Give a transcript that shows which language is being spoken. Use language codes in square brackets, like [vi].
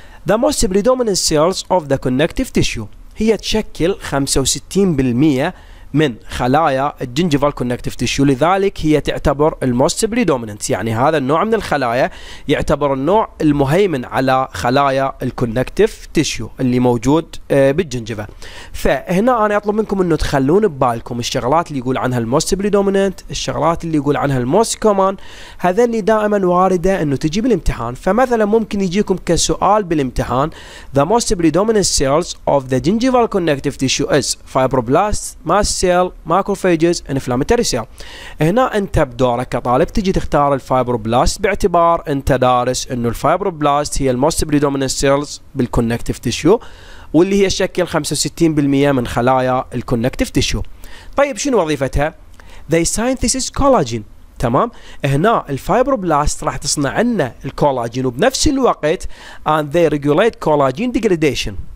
[en] The most predominant cells of the connective tissue [ar] هي تشكل 65% من خلايا الجنجيفال كونكتيف تيشو، لذلك هي تعتبر الموست بريدومينانت، يعني هذا النوع من الخلايا يعتبر النوع المهيمن على خلايا الكونكتيف تيشو اللي موجود بالجنجيفا. فهنا انا اطلب منكم انه تخلون ببالكم الشغلات اللي يقول عنها الموست بريدومينانت، الشغلات اللي يقول عنها الموست كومن، هذا اللي دائما وارده انه تجي بالامتحان. فمثلا ممكن يجيكم كسؤال بالامتحان [en] the most predominant cells of the gingival connective tissue is fibroblasts, mast cell, macrophages, inflammatory cell. [ar] هنا انت بدورك كطالب تجي تختار الفايبروبلاست باعتبار انت دارس انه الفايبروبلاست هي الموست بريدومينانت سيلز بالكونكتيف تيشو واللي هي تشكل 65% من خلايا الكونكتيف تيشو. طيب شنو وظيفتها؟ [en] They synthesis collagen، [ar] تمام؟ هنا الفايبروبلاست راح تصنع لنا الكولاجين وبنفس الوقت [en] and they regulate collagen degradation.